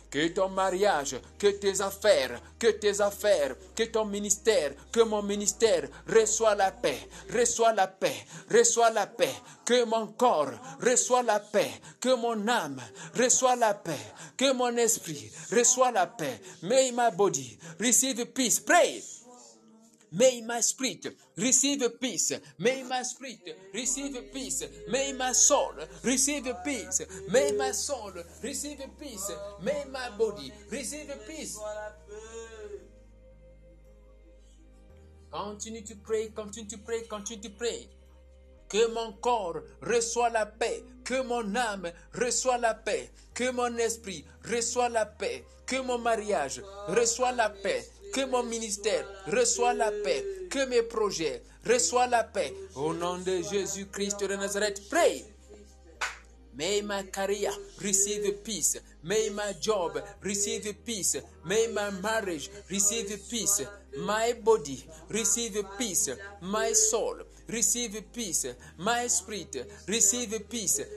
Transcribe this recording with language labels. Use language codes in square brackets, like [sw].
[fr] Que ton mariage, que tes affaires, que ton ministère, que mon ministère reçoit la paix, reçoit la paix, reçoit la paix. Que mon corps reçoit la paix, que mon âme reçoit la paix, que mon esprit reçoit la paix. [en] May my body receive peace. Pray. May my spirit receive peace. May my spirit receive peace. May my soul receive peace. May my soul receive peace. May my body receive peace. Continue to pray, continue to pray, continue to pray. [fr] Que mon corps reçoit la paix. Que mon âme reçoit la paix. Que mon esprit reçoit la paix. Que mon mariage reçoit la paix. Que mon ministère reçoit la paix. Que mes projets reçoivent la paix. Au nom de Jésus-Christ de Nazareth, pray. [en] May my career receive peace. May my job receive peace. May my marriage receive peace. My body receive peace. My soul receive peace. My spirit receive peace.